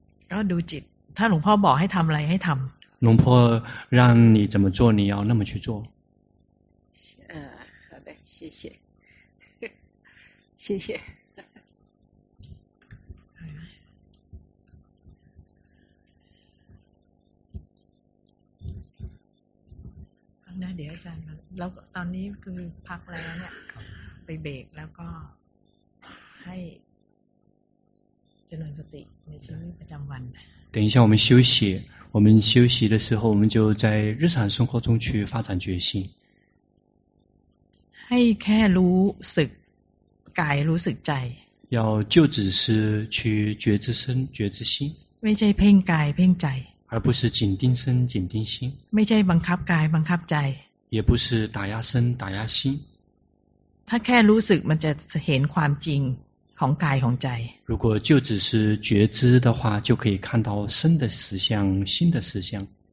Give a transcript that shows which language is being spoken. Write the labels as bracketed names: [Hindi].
[Thai] ก็ดูจิตถ้าหลวงพ่อบอกให้ทำอะไรให้ทำ [Chinese] 龙波让你怎么做你要那么去做好的谢谢谢谢 [Thai] นะเดี๋ยวอาจารย์แล้วตอนนี้คือพักแล้วเนี่ยไปเบรกแล้วก็ให้เจริญสติในชีวิตประจำวัน [Chinese] 等一下我们休息我们休息的时候我们就在日常生活中去发展决心 [Thai] ให้แค่รู้สึกกายรู้สึกใจ [Chinese] 要就只是去觉知身觉知心 [Thai] ไม่ใช่เพ่งกายเพ่งใจ [Chinese] 而不是紧盯身紧盯心 [Thai] ไม่ใช่บังคับกายบังคับใจ [Chinese] 也不是打压身打压心 [Thai] ถ้าแค่รู้สึกมันจะเห็นความจริงของกายของใจ [Chinese] 如果就只是觉知的话就可以看到身的实相心的实相